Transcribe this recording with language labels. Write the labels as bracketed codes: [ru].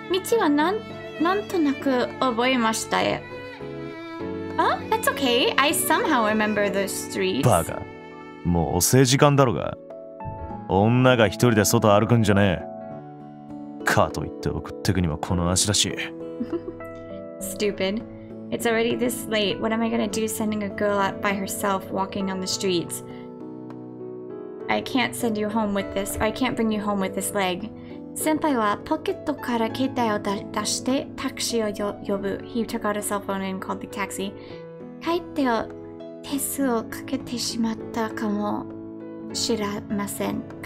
[ja] 道はなんとなく覚えましたよ。 [en] That's okay. I somehow remember the streets. [ja] バカ。もう遅い時間だろうが。女が一人で外歩くんじゃねえ。かといって送ってくにはこの足だし。 [en] Stupid. It's already this late. What am I gonna do sending a girl out by herself walking on the streets? I can't send you home with this. I can't bring you home with this leg. [ja] 先輩はポケットから携帯を出してタクシーを呼ぶ。 [en] He took out a cell phone and called the taxi. [ja] 帰ってを手数をかけてしまったかもしれません。